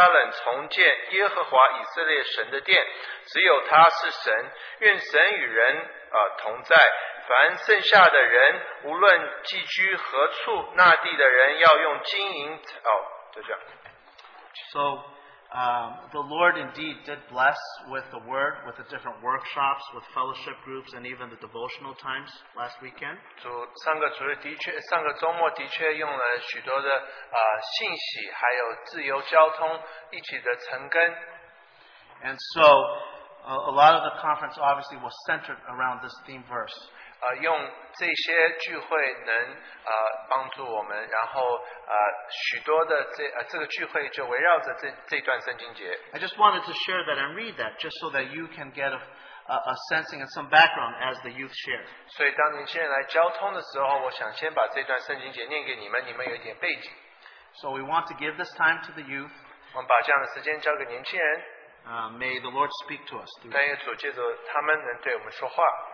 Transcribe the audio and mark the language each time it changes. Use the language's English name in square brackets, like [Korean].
[Chinese] 就激动波斯王古列的心，使他召通告全国说：“波斯王古列如此说：耶和华天上的神已将天下万国赐给我，又嘱咐我在犹大的耶路撒冷为他建造殿宇。在你们中间凡做他子民的，可以上犹大的耶路撒冷，在耶路撒冷重建耶和华以色列神的殿。只有他是神，愿神与人同在。” 凡剩下的人，无论寄居何处，那地的人要用金银哦，就这样。 [English] So, the Lord indeed did bless with the word, with the different workshops, with fellowship groups, and even the devotional times last weekend. [Chinese] 上个周末的确用了许多的信息，还有自由交通一起的成根。 [English] And so, a lot of the conference obviously was centered around this theme verse. [Chinese] 用这些聚会能帮助我们，然后许多的这个聚会就围绕着这段圣经节。 [English] I just wanted to share that and read that just so that you can get a sensing and some background as the youth share. [Chinese] 所以当年轻人来交通的时候，我想先把这段圣经节念给你们，你们有点背景。 [English] So we want to give this time to the youth. [Chinese] 我们把这样的时间交给年轻人。 [English] May the Lord speak to us. [Chinese] 但愿主借着他们能对我们说话。